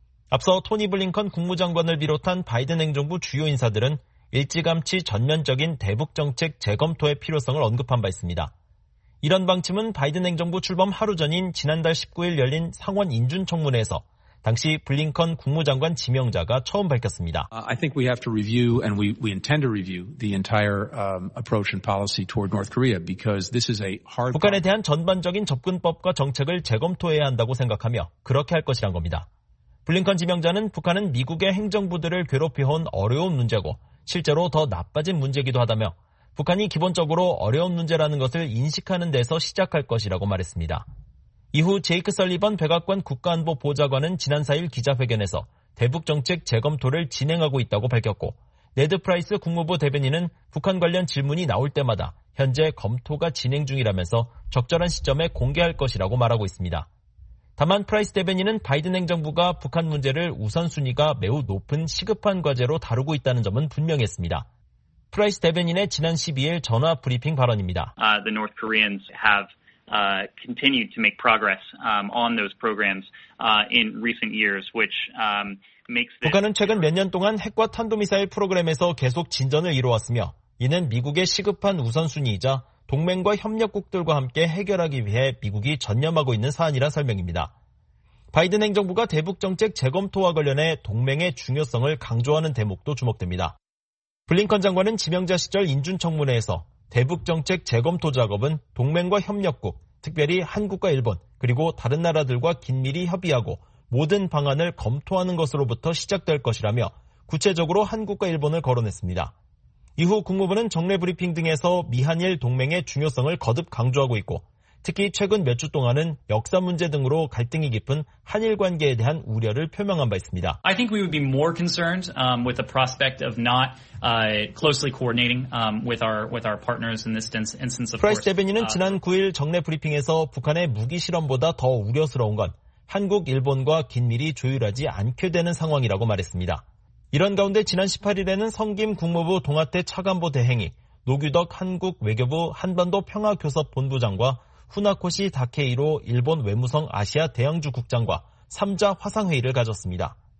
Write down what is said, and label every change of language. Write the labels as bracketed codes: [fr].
[ko] 앞서 토니 블링컨 국무장관을 비롯한 바이든 행정부 주요 인사들은 일찌감치 전면적인 대북 정책 재검토의 필요성을 언급한 바 있습니다. 이런 방침은 바이든 행정부 출범 하루 전인 지난달 19일 열린 상원 인준 청문회에서 당시 블링컨 국무장관 지명자가 처음 밝혔습니다. [en] I think we have to review and we intend to review the entire approach and policy toward North Korea because this is a hard [ko] 북한에 대한 전반적인 접근법과 정책을 재검토해야 한다고 생각하며 그렇게 할 것이란 겁니다. 블링컨 지명자는 북한은 미국의 행정부들을 괴롭혀온 어려운 문제고 실제로 더 나빠진 문제이기도 하다며 북한이 기본적으로 어려운 문제라는 것을 인식하는 데서 시작할 것이라고 말했습니다. 이후 제이크 설리번 백악관 국가안보보좌관은 지난 4일 기자회견에서 대북정책 재검토를 진행하고 있다고 밝혔고 네드 프라이스 국무부 대변인은 북한 관련 질문이 나올 때마다 현재 검토가 진행 중이라면서 적절한 시점에 공개할 것이라고 말하고 있습니다. 다만 프라이스 대변인은 바이든 행정부가 북한 문제를 우선순위가 매우 높은 시급한 과제로 다루고 있다는 점은 분명했습니다. 프라이스 대변인의 지난 12일 전화 브리핑 발언입니다. [en] The North Koreans have continued to make progress on those programs in recent years, which makes [ko] 북한은 최근 몇 년 동안 핵과 탄도미사일 프로그램에서 계속 진전을 이루었으며 이는 미국의 시급한 우선순위이자 동맹과 협력국들과 함께 해결하기 위해 미국이 전념하고 있는 사안이라 설명입니다. 바이든 행정부가 대북정책 재검토와 관련해 동맹의 중요성을 강조하는 대목도 주목됩니다. 블링컨 장관은 지명자 시절 인준청문회에서 대북정책 재검토 작업은 동맹과 협력국, 특별히 한국과 일본, 그리고 다른 나라들과 긴밀히 협의하고 모든 방안을 검토하는 것으로부터 시작될 것이라며 구체적으로 한국과 일본을 거론했습니다. 이후 국무부는 정례 브리핑 등에서 미한일 동맹의 중요성을 거듭 강조하고 있고 특히 최근 몇 주 동안은 역사 문제 등으로 갈등이 깊은 한일 관계에 대한 우려를 표명한 바 있습니다. [en] I think we would be more concerned with the prospect of not closely coordinating with our partners in this instance of course. [ko] 프라이스 대변인은 지난 9일 정례 브리핑에서 북한의 무기 실험보다 더 우려스러운 건 한국, 일본과 긴밀히 조율하지 않게 되는 상황이라고 말했습니다. 이런 가운데 지난 18일에는 성김 국무부 동아태 차관보 대행이 노규덕 한국 외교부 한반도 평화교섭 본부장과 후나코시 다케이로 일본 외무성 아시아 대양주 국장과 3자 화상회의를 가졌습니다.